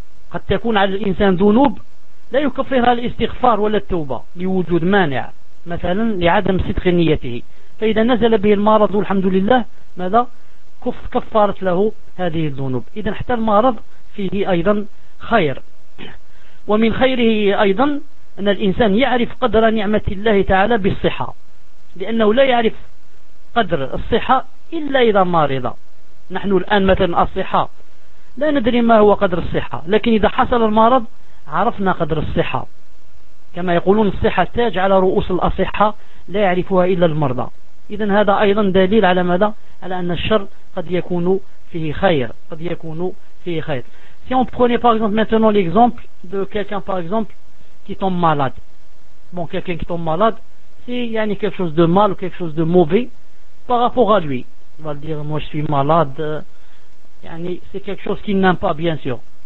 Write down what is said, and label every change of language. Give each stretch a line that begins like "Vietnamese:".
Arabic: قد تكون على الإنسان ذنوب لا يكفرها الاستغفار ولا التوبة لوجود مانع مثلا لعدم صدق نيته فإذا نزل به المرض الحمد لله ماذا كفرت له هذه الذنوب إذن حتى المرض فيه أيضا خير ومن خيره أيضا أن الإنسان يعرف قدر نعمة الله تعالى بالصحة لأنه لا يعرف قدر الصحة إلا إذا مرض نحن الآن مثلا الصحة لا ندري ما هو قدر الصحة، لكن إذا حصل المرض عرفنا قدر الصحة. كما يقولون الصحة تاج على رؤوس الأصحاء، لا يعرفها إلا المرضى. إذن هذا أيضا دليل على ماذا؟ على أن الشر قد يكون فيه خير، قد يكون فيه خير.
French: Si on prenait par exemple maintenant l'exemple de quelqu'un par exemple qui tombe malade. Bon, quelqu'un qui tombe malade, s'il y a quelque chose de mal ou quelque chose de mauvais par rapport à lui, il va dire moi je suis malade, c'est quelque chose qu'il n'aime pas bien sûr.